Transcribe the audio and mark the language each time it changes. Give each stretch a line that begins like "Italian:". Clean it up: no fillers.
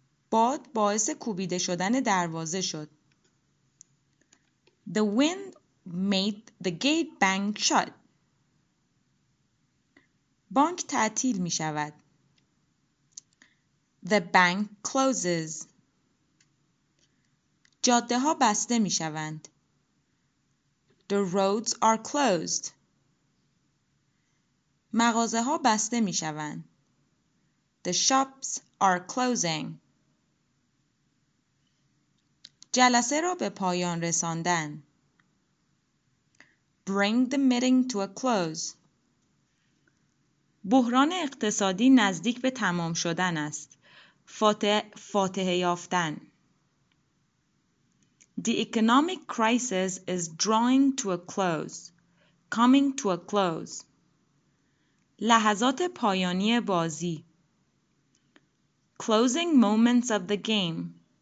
Persian: باد باعث کوبیده شدن دروازه شد.
English: The wind made the gate bang shut.
Persian: بانک تعطیل می شود.
English: The bank closes.
Persian: جاده ها بسته می شوند.
English: The roads are closed.
Persian: مغازه ها بسته می شوند.
English: The shops are closing.
Persian: جلسه را به پایان رساندن.
English: Bring the meeting to a close.
Persian: بحران اقتصادی نزدیک به تمام شدن است. فاتحه یافتن.
English: The economic crisis is drawing to a close. Coming to a close.
Persian: لحظات پایانی بازی.
English: Closing moments of the game.